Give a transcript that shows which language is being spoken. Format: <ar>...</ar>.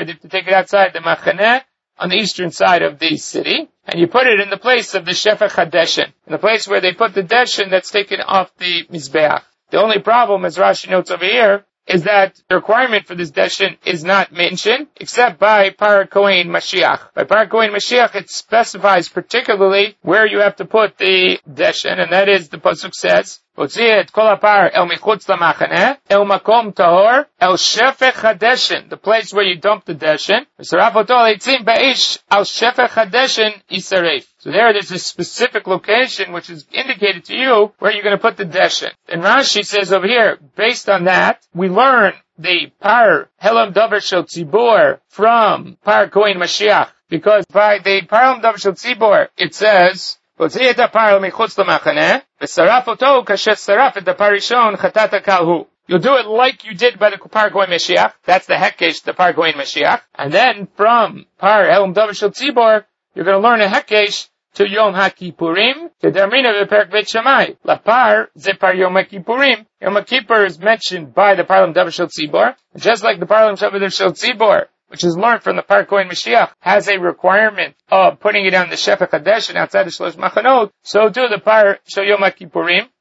<en>You have to take it outside the Machane on the eastern side of the city, and you put it in the place of the Shefach HaDeshen, in the place where they put the Deshen that's taken off the Mizbeach. The only problem, as Rashi notes over here, is that the requirement for this deshen is not mentioned, except by Par Kohen Mashiach. By Par Kohen Mashiach, it specifies particularly where you have to put the deshen, and that is, the pasuk says,</en> <he>הוציא את כל הפר אל מחוץ למחנה, אל מקום טהור, אל שפך הדשן,</he> <en>the place where you dump the dashen,</en> <he>ושרף אותו על עצים באיש, אל שפך הדשן יישרף.</he> <en>So there it is, a specific location which is indicated to you where you're going to put the dashen. And Rashi says over here, based on that, we learn the par helam dover shel tzibur from par kohen Mashiach. Because by the par helam dover shel tzibur, it says,</en> <he>הוציא את הפר מחוץ למחנה, ושרף אותו כאשר שרף את הפר ראשון חטאת הקהל הוא.</he> <en>You'll do it like you did by the par kohen Mashiach. That's the hekesh, the par kohen Mashiach. And then from par helam dover shel tzibur, you're going to learn a hekesh to Yom HaKippurim, Kedermina v'perk Beit Shammai. Lapar, Zepar Yom HaKippurim. Yom HaKippur is mentioned by the Parlam Dover Shel Tzibor. Just like the Parlam Shavadar Shel Tzibor, which is learned from the Par Kohen Mashiach, has a requirement of putting it on the Shefech Hadesh and outside the Shalosh Machanot, so do the Par Shel Yom HaKippurim.</en>